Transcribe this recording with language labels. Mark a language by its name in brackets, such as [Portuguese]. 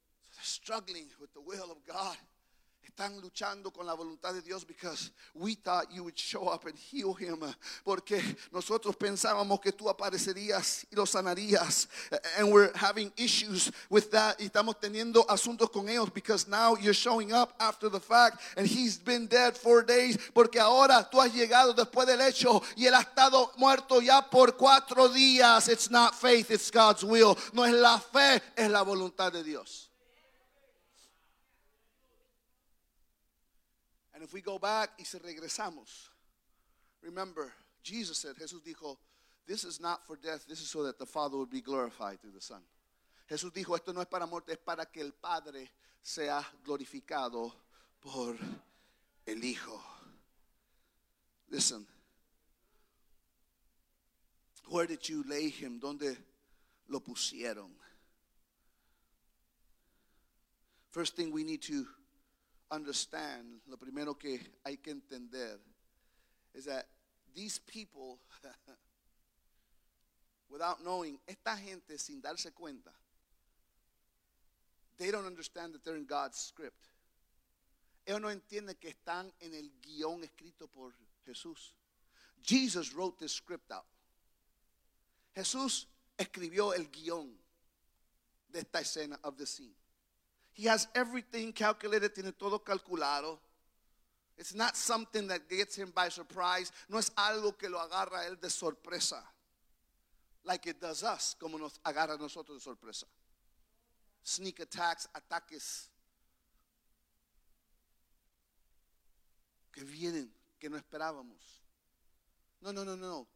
[English] So they're struggling with the will of God. [Spanish] Están luchando con la voluntad de Dios [English] because we thought you would show up and heal him. [Spanish] Porque nosotros pensábamos que tú aparecerías y lo sanarías. [English] And we're having issues with that. [Spanish] Y estamos teniendo asuntos con ellos [English] because now you're showing up after the fact and he's been dead 4 days. [Spanish] Porque ahora tú has llegado después del hecho y él ha estado muerto ya por 4 días. [English] It's not faith, it's God's will. [Spanish] No es la fe, es la voluntad de Dios. [English] And if we go back, [Spanish] y si regresamos, [English] remember, Jesus said, [Spanish] Jesús dijo, [English] this is not for death, this is so that the Father would be glorified through the Son. [Spanish] Jesús dijo, esto no es para muerte, es para que el Padre sea glorificado por el Hijo. [English] Listen, where did you lay him? [Spanish] ¿Dónde lo pusieron? [English] First thing we need to understand, [Spanish] lo primero que hay que entender [English] is that these people without knowing, [Spanish] esta gente sin darse cuenta, [English] they don't understand that they're in God's script. [Spanish] Ellos no entienden que están en el guión escrito por Jesús. [English] Jesus wrote this script out. [Spanish] Jesús escribió el guión de esta escena, [English] of the scene. He has everything calculated, [Spanish] tiene todo calculado. [English] It's not something that gets him by surprise. [Spanish] No es algo que lo agarra él de sorpresa. [English] Like it does us, [Spanish] como nos agarra nosotros de sorpresa. [English] Sneak attacks, [Spanish] ataques. que vienen, que no esperábamos. No, no, no, no.